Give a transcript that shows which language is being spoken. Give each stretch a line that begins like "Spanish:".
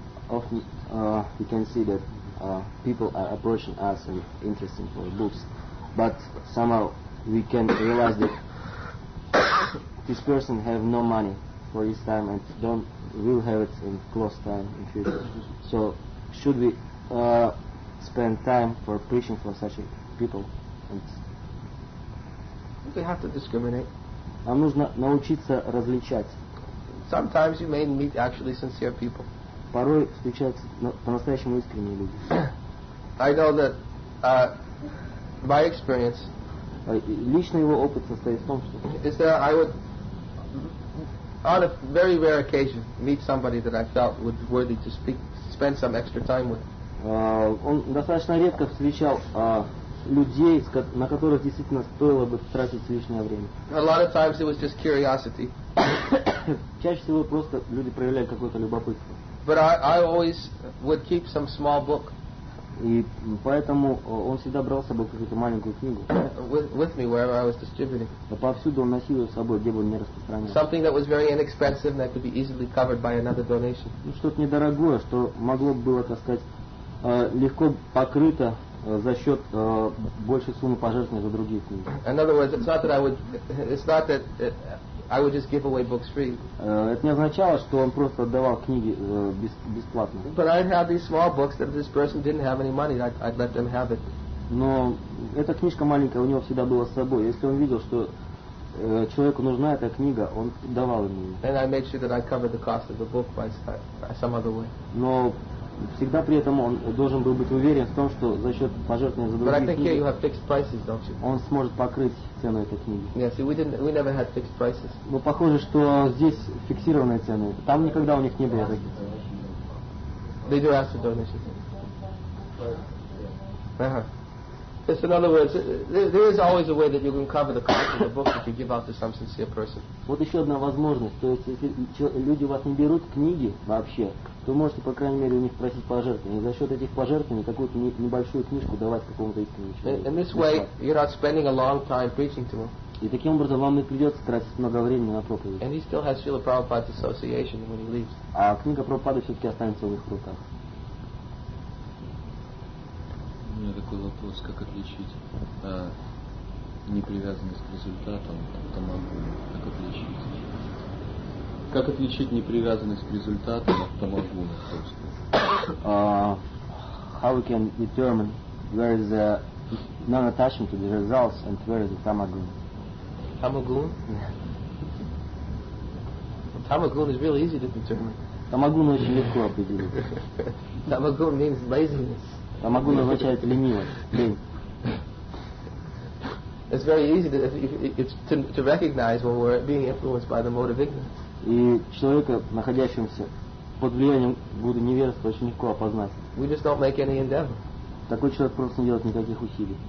English: Often we can see that people are approaching us and interesting for books, but somehow we can realize that this person have no money for his time and don't will have it in close time in future. So should we spend time for preaching for such people? And we have to discriminate.
Russian: Нам нужно научиться различать.
English: Sometimes you may meet actually sincere people.
Russian: Порой встречаются по-настоящему искренние люди.
English: I know that by experience.
Russian: Личный его опыт состоит в том, что
English: is that I would on a very rare occasion meet somebody that I felt would be worthy to speak, spend some extra time with.
Russian: Он достаточно редко встречал людей, на которых действительно стоило бы тратить лишнее время.
English: A lot of times it was just curiosity.
Russian: Чаще всего просто люди проявляли какое-то любопытство.
English: But I always would keep some small book.
Russian: И поэтому он всегда брал с собой какую-то маленькую книгу.
English: With me wherever I was distributing.
Russian: Повсюду он носил ее с собой, где бы он ни распространял.
English: Something that was very inexpensive and that could be easily covered by another donation.
Russian: Ну, что-то недорогое, что могло бы было, так сказать, легко покрыто за счет большей суммы пожертвований за другие книги.
English: In other words, it's not that I would just give away books free.
Russian: Это не означало, что он просто отдавал книги бесплатно.
English: But I have these small books that this person didn't have any money, I'd let them have it.
Russian: Но эта книжка маленькая у него всегда была с собой. Если он видел, что человеку нужна эта книга, он давал ему.
English: And I made sure that I covered the cost of the book by some other way.
Russian: Но всегда при этом он должен был быть уверен в том, что за счет пожертвования за другие книги.
English: But I think here you have fixed prices, don't you?
Russian: Он сможет покрыть цену этой книги.
English: Yes, we never had fixed prices.
Russian: Но похоже, что здесь фиксированные цены. Там никогда у них не было таких.
English: They do ask for donations. Uh-huh. Yes, in other words, there is always a way that you can cover the cost of the book if you give out to some sincere person.
Russian: Вот еще одна возможность. То есть, если люди у вас не берут книги вообще, то можете, по крайней мере, у них просить пожертвований. За счет этих пожертвований какую-то небольшую книжку давать какому-то искреннему человеку.
English: In this way, you're not spending a long time preaching to him.
Russian: И таким образом вам не придется тратить много времени на проповедь.
English: And he still has Srila Prabhupada's association when he leaves.
Russian: А книга Прабхупады все-таки останется в их руках. У меня такой вопрос, как отличить непривязанность к результатам от тамагуна? Как отличить? Как отличить непривязанность к результатам от тамагуна?
English: How we can determine where is the non-attachment to the results and where is the tamagun? Tamagun? Tamagun is really easy to determine.
Russian: Tamagun очень легко определить.
English: Tamagun means laziness.
Russian: Тамагун означает ленивость, лень.
English: It's very easy to recognize when we're being influenced by the mode of ignorance.
Russian: И человека, находящегося под влиянием гуру невежества, очень легко опознать. We just don't make any endeavor. Такой человек просто не делает никаких усилий.